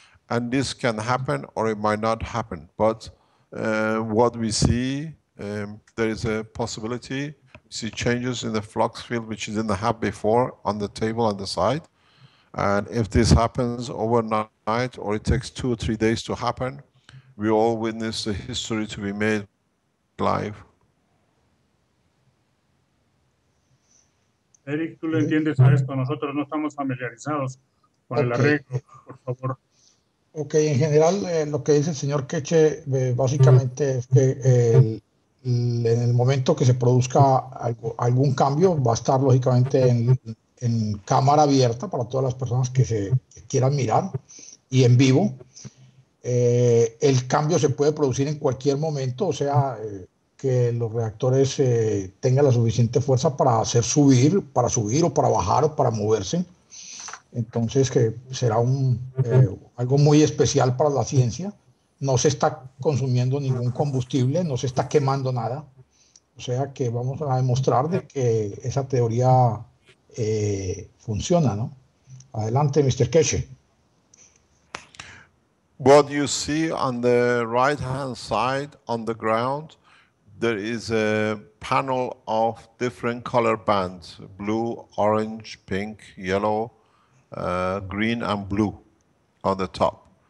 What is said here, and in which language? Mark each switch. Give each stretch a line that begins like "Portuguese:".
English: And this can happen or it might not happen, but what we see, there is a possibility, see changes in the flux field which you didn't have before on the table on the side. And if this happens overnight or it takes 2 or 3 days to happen, we all witness the history to be made live.
Spanish: Eric, tú lo entiendes a esto, nosotros no estamos familiarizados con el arreglo, por favor. Ok, en general lo que dice el señor Keche básicamente es que en el momento que se produzca algún cambio va a estar lógicamente en cámara abierta para todas las personas que quieran mirar y en vivo. El cambio se puede producir en cualquier momento, o sea, que los reactores tengan la suficiente fuerza para hacer subir, para subir o para bajar o para moverse. Entonces, que será algo muy especial para la ciencia. No se está consumiendo ningún combustible, no se está quemando nada. O sea que vamos a demostrar de que esa teoría funciona, ¿no? Adelante, Mr. Keche.
English: What you see on the right hand side on the ground, there is a panel of different color bands, blue, orange, pink, yellow, green and blue on the top.